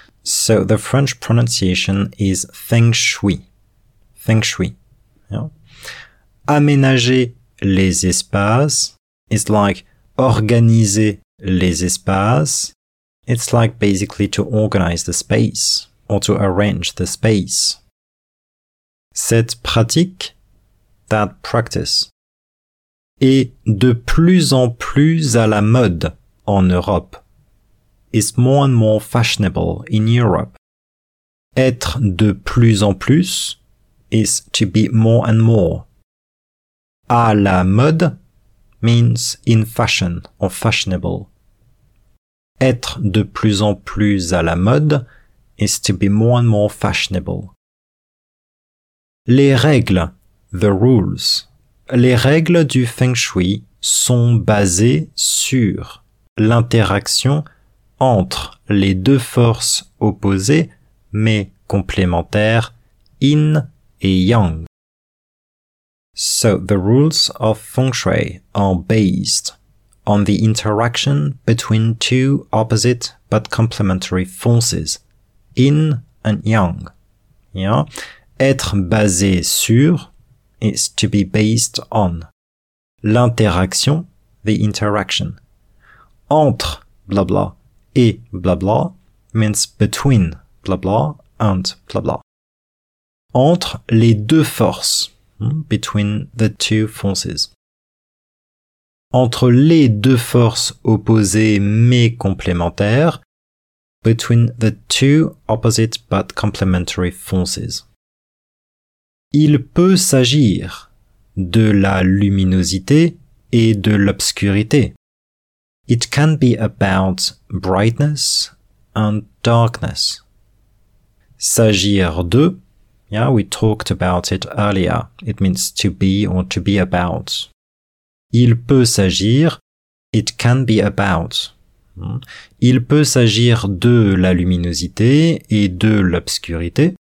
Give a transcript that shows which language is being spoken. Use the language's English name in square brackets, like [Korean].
[English] So the French pronunciation is feng shui. Feng shui. Yeah. [French] Aménager les espaces [English] is like [French] organiser les espaces. [English] It's like basically to organize the space or to arrange the space. [French] Cette pratique, [English] that practice, [French] est de plus en plus à la mode. en Europe. [English] It's more and more fashionable in Europe. [French] Être de plus en plus [English] is to be more and more. [French] À la mode [English] means in fashion or fashionable. [French] Être de plus en plus à la mode [English] is to be more and more fashionable. [French] Les règles, [English] the rules. [French] Les règles du feng shui sont basées sur l'interaction entre les deux forces opposées mais complémentaires, yin et yang. [English] So the rules of feng shui are based on the interaction between two opposite but complementary forces, yin and yang. Yeah. [French] Être basé sur [English] is to be based on. L'interaction, the interaction. Entre blah blah et blah blah means between blah blah and blah blah. [French] Entre les deux forces, [English] between the two forces. [French] Entre les deux forces opposées mais complémentaires, [English] between the two opposite but complementary forces. [French] Il peut s'agir de la luminosité et de l'obscurité. [English] It can be about brightness and darkness. [French] S'agir de, [English] yeah, we talked about it earlier. It means to be or to be about. [French] Il peut s'agir, [English] it can be about. [French] Il peut s'agir de la luminosité et de l'obscurité.